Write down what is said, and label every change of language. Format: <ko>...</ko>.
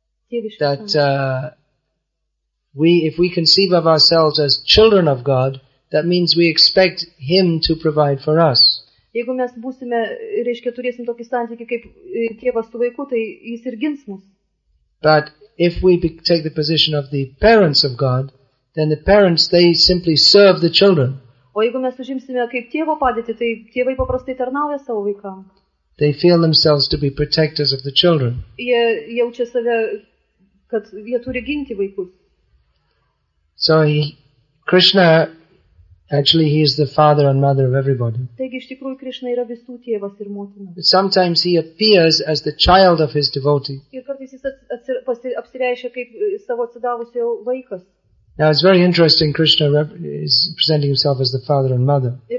<en>If we conceive of ourselves as children of God, that means we expect Him to provide for us.</en> <lt>Jeigu mes būsime, reiškia, turėsim tokį santykį kaip tėvas su vaiku, tai jis ir gins mus.</lt> <en>But if we take the position of the parents of God, then the parents, they simply serve the children.</en> <lt>O jeigu mes užimsime kaip tėvo padėtį, tai tėvai paprastai tarnauja savo vaikam.</lt> <en>They feel themselves to be protectors of the children.</en> <lt>Jie jaučia save, kad jie turi ginti vaikus.</lt> <en>So Krishna, actually he is the father and mother of everybody.</en> <lt>Taigi iš tikrųjų Krishna yra visų tėvas ir motina.</lt> <en>But sometimes he appears as the child of his devotee.</en> <lt>Ir kartais jis apsireiškia kaip savo atsidavusio vaikas.</lt> <en>Now it's very interesting. Krishna is presenting himself as the father and mother.</en>